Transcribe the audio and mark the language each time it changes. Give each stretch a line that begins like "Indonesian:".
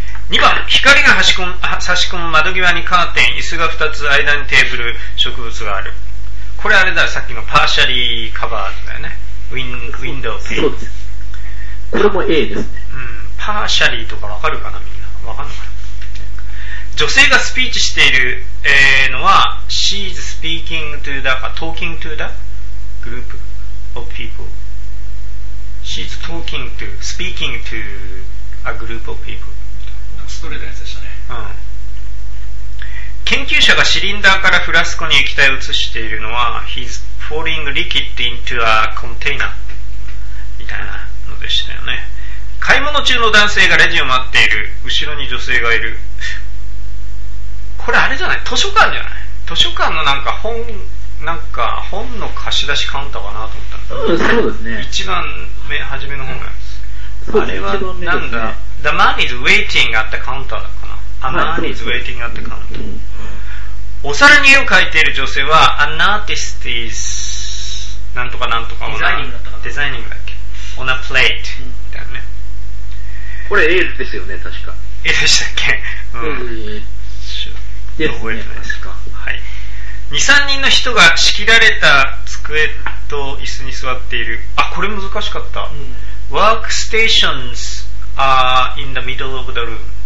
Japanese: 2番、光が差し込む窓際にカーテン、椅子が2つ、間にテーブル、植物がある。これあれだ、さっきのパーシャリーカバーだよね。ウィンドウペイン、そうです。これも A ですね、うん、パーシャリーとか分かるかな、みんな分かんのかな。女性がスピーチしている、のは
English: She's speaking to the か Talking to the group of peopleShe's talking to, speaking to a group of people.
Japanese: ストレートなやつでしたね、うん。研究者がシリンダーからフラスコに液体を移しているのは、
English: He's pouring liquid into a container.
Japanese: みたいなのでしたよね。買い物中の男性がレジを待っている。後ろに女性がいる。これあれじゃない？図書館じゃない？図書館のなんか本、なんか本の貸し出しカウンターかなと思ったんだ、うん、そうですね。一番目初めの本なんです。あれはなんだ、ね、
English: The man is waiting at the counter
Japanese: だかな、はい、
English: A man is waiting at the counter、
Japanese: うん、お皿に絵を描いている女性は
English: An artist is
Japanese: なんとかなんとかデザイニングだったかな、デザイニングだっけ、
English: On a plate、
Japanese: うん、みたいなね。これ A ですよね、確か A でしたっけ、うん、ですね、覚えてないですか。はい、2,3 人の人が仕切られた机と椅子に座っている。あ、これ難しかった、うん、
English: Workstations are in the middle of the room。